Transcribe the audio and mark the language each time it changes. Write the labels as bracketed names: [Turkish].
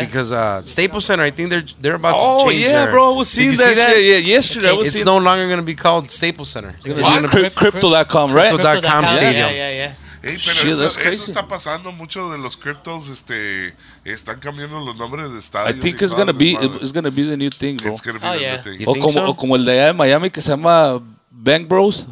[English] Because Staples Center, I think they're about to change. Oh, yeah, bro. I was seeing that shit yesterday. It's no longer going to be called Staples Center. Crypto.com, right? Crypto.com Stadium. Yeah. [Spanish] Hey, pero eso está pasando mucho de los criptos, están cambiando los nombres de estadios. [English] I think it's gonna be the new thing, bro. It's gonna be the new thing. [Spanish] O como el de allá de Miami que se llama Bank Bros.